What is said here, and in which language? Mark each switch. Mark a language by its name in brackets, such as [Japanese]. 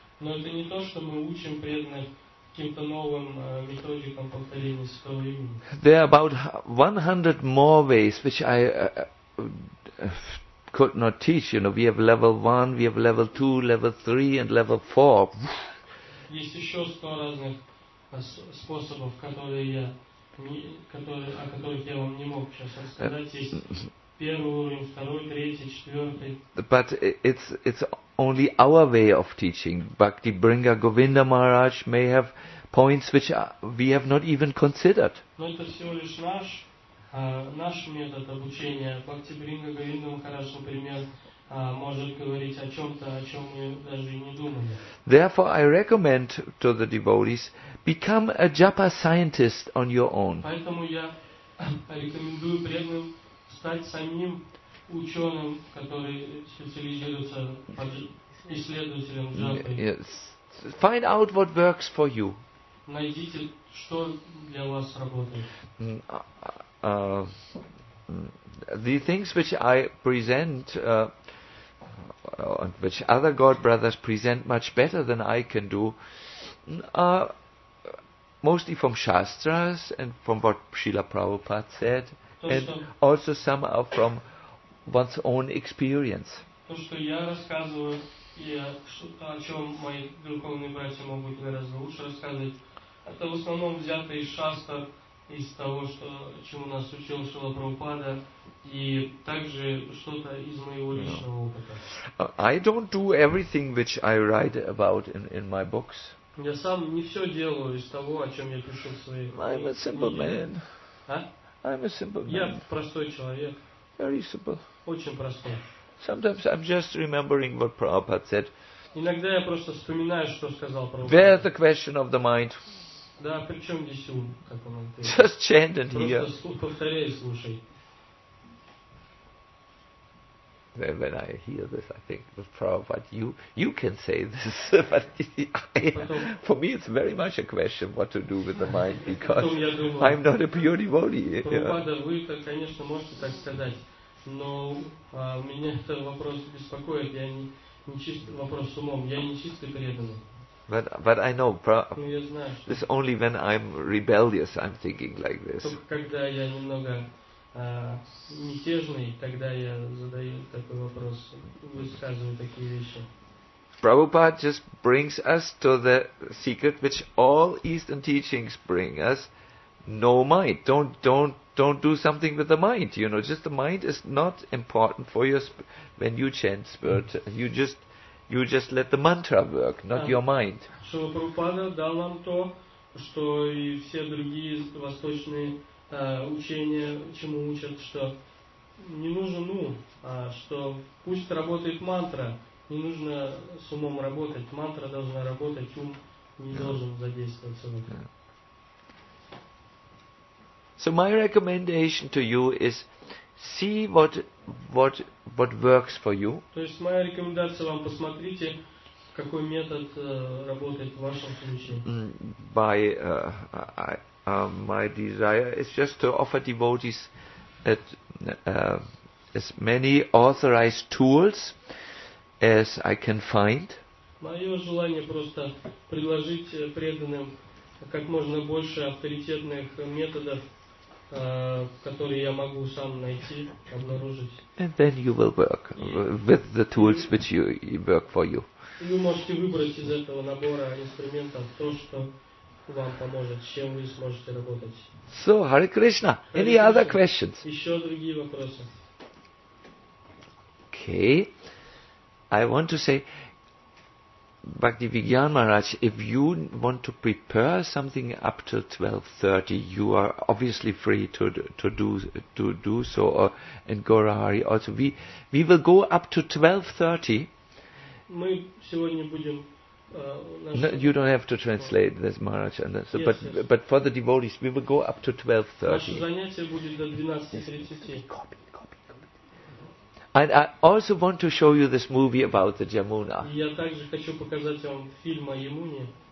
[Russian] Но это не то, что мы учим преданных каким-то новым методикам повторения святого имени. [English] There are about 100 more ways which I could not teach. You know, we have level 1, we have level 2, level 3, and level 4. [Russian] Есть еще 100 разных способов, о которых я вам не мог сейчас рассказать. Есть первый уровень, второй, третий, четвертый. [English] But it's only our way of teaching. Bhakti Bringa Govinda Maharaj may have points which we have not even considered. [Russian] Но это всего лишь наш метод обучения. Бхакти Бринга Говинда Махарадж, например, может говорить о чем-то, о чем мы даже и не думали. [English] Therefore, I recommend to the devotees, become a japa scientist on your own. [Russian] Поэтому я рекомендую преданным стать самим ученым, который специализируется, исследователем джапы. [English] Yes. Find out what works for you. [Russian] Найдите, что для вас работает. [English] The things which I present, which other god brothers present much better than I can do, are mostly from shastras and from what Srila Prabhupada said, and also some are from one's own experience. [Russian] То, что я рассказываю, и о чем мои духовные братья могут гораздо лучше рассказывать, это в основном взято из шастр, из того, чему нас учил Шрила Прабхупада, и также что-то из моего личного опыта. [English] I don't do everything which I write about in my books. [Russian] Я сам не все делаю из того, о чем я пишу в своей книге. [English] I'm a simple man. А? I'm a simple man. [Russian] Я простой человек. [English] Very simple. [Russian] Очень простой. [English] Sometimes I'm just remembering what Prabhupada said. [Russian] Иногда я просто вспоминаю, что сказал Прабхупада. [English] Where the question of the mind? [Russian] Да, при чем здесь ум, как он говорит? [English] Just chant and hear. [Russian] Просто повторяй и слушай. [English] When I hear this, I think, Prabhupada, you can say this, but for me it's very much a question what to do with the mind, because I'm not a pure devotee. [Russian] Prabhupada, вы, конечно, можете так сказать, но меня этот вопрос беспокоит, я не чистый, вопрос с умом, я не чистый преданный. [English] But I know, this only when I'm rebellious I'm thinking like this. [Russian] Когда я немного... мятежный, тогда я задаю такой вопрос, высказываю такие вещи. [English] Prabhupada just brings us to the secret which all Eastern teachings bring us: no mind. Don't do something with the mind. You know, just the mind is not important for your when you chant spirit. You just let the mantra work, not your mind. [Russian] Что Прабхупада дал нам то, что и все другие восточные учение, чему учат, что не нужен ум, а что пусть работает мантра, не нужно с умом работать, мантра должна работать, ум не должен задействоваться. [English] So my recommendation to you is see what what works for you. [Russian] То есть моя рекомендация вам: посмотрите, какой метод работает в вашем помещении. [English] By my desire is just to offer devotees at as many authorized tools as I can find. [Russian] Моё желание просто предложить преданным как можно больше авторитетных методов, которые я могу сам найти, обнаружить. [English] And then you will work with the tools which you work for you. [Russian] Вы можете выбрать из этого набора инструментов то, что вам поможет, с чем вы сможете работать. [English] So, Hare Krishna. Any other questions? [Russian] Ещё другие вопросы? [English] Okay. I want to say, Bhakti Vigyan Maharaj, if you want to prepare something up till 12:30, you are obviously free to do so. And Gaurahari also, we will go up to 12:30. [Russian] Мы сегодня будем. [English] No, you don't have to translate this, Maharaj. And so, but for the devotees, we will go up to 12:30. [Russian] Наше занятие будет до 12:30. [English] And I also want to show you this movie about the Yamuna. [Russian] Я также хочу показать вам фильм о Ямуне.